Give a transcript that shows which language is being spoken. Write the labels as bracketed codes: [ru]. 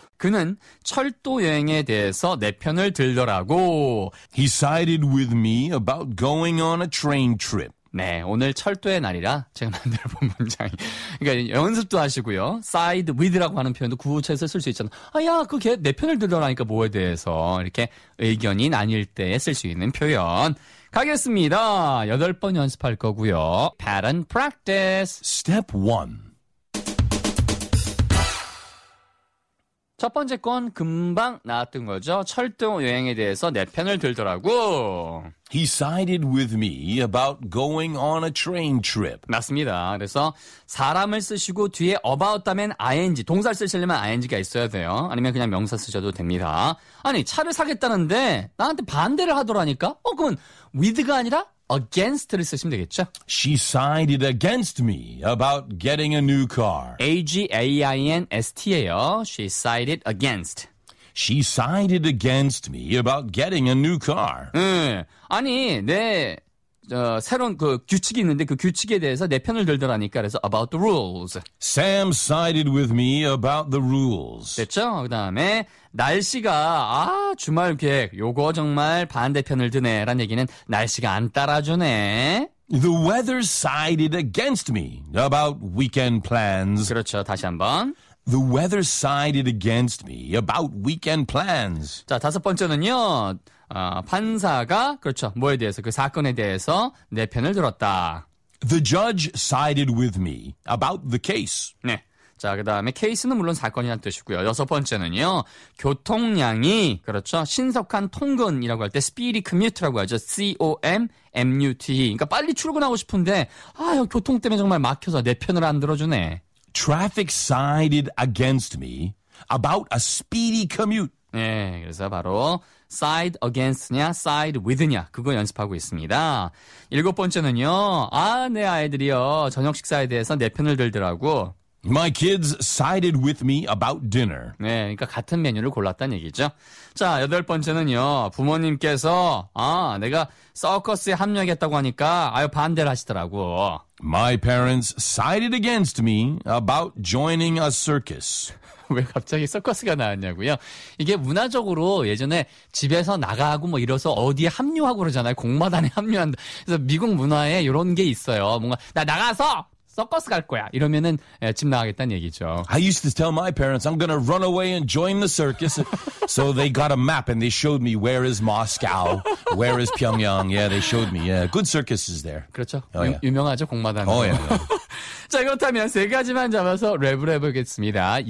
[ko] 그는 철도 여행에 대해서 내 편을 들더라고. [en] He sided with me about going on a train trip. [ko] 네, 오늘 철도의 날이라 제가 만들어 본 문장이. 그러니까 연습도 하시고요. side with라고 하는 표현도 구어체에서 쓸 수 있잖아요. 아, 야, 그게 내 편을 들더라니까 뭐에 대해서. 이렇게 의견이 나뉠 때에 쓸 수 있는 표현. 가겠습니다. 8번 연습할 거고요. [en] Pattern practice. Step 1. [ko] 첫 번째 건 금방 나왔던 거죠. 철도 여행에 대해서 내 편을 들더라고. [en] He sided with me about going on a train trip. [ko] 맞습니다. 그래서 사람을 쓰시고 뒤에 about다면 ing, 동사를 쓰시려면 ing가 있어야 돼요. 아니면 그냥 명사 쓰셔도 됩니다. 아니, 차를 사겠다는데 나한테 반대를 하더라니까? 어, 그러면 with가 아니라 against를 쓰시면 되겠죠? [en] She sided against me about getting a new car. A-G-A-I-N-S-T예요. She sided against. She sided against me about getting a new car. [ko] 아니, 새로운 그 규칙이 있는데 그 규칙에 대해서 내 편을 들더라니까 그래서 about the rules. [en] Sam sided with me about the rules. [ko] 됐죠? 그다음에 날씨가 아 주말 계획 요거 정말 반대편을 드네라는 얘기는 날씨가 안 따라주네. [en] The weather sided against me about weekend plans. [ko] 그렇죠. 다시 한번. [en] The weather sided against me about weekend plans. [ko] 자, 다섯 번째는요. 판사가 그렇죠. 뭐에 대해서 그 사건에 대해서 내 편을 들었다. [en] The judge sided with me about the case. [ko] 네. 자, 그다음에 케이스는 물론 사건이란 뜻이고요. 여섯 번째는요. 교통량이 그렇죠. 신속한 통근이라고 할 때 speedy commute라고 하죠. [en] C-O-M-M-U-T-E. [ko] 그러니까 빨리 출근하고 싶은데 아, 교통 때문에 정말 막혀서 내 편을 안 들어주네. [en] Traffic sided against me about a speedy commute. [ko] 네, 그래서 바로 side against냐, side with냐 그거 연습하고 있습니다. 일곱 번째는요. 아, 내 아이들이요. 저녁 식사에 대해서 내 편을 들더라고. [en] My kids sided with me about dinner. [ko] 네, 그러니까 같은 메뉴를 골랐다는 얘기죠. 자, 여덟 번째는요. 부모님께서 아, 내가 서커스에 합류하겠다고 하니까 아유 반대를 하시더라고. [en] My parents sided against me about joining a circus. [ko] 왜 갑자기 서커스가 나왔냐고요? 이게 문화적으로 예전에 집에서 나가고 뭐 이래서 어디에 합류하고 그러잖아요. 공마단에 합류한다. 그래서 미국 문화에 이런 게 있어요. 뭔가 나 나가서 서커스 갈 거야. 이러면은 예, 집 나가겠다는 얘기죠. [en] I used to tell my parents I'm going to run away and join the circus. So they got a map and they showed me where is Moscow, where is Pyongyang. Yeah, they showed me. Yeah, good circus is there. [ko] 그렇죠. Oh, 유명하죠, 공마단. [en] Oh, yeah. [ko] 자, 그렇다면 세 가지만 잡아서 랩을 해보겠습니다.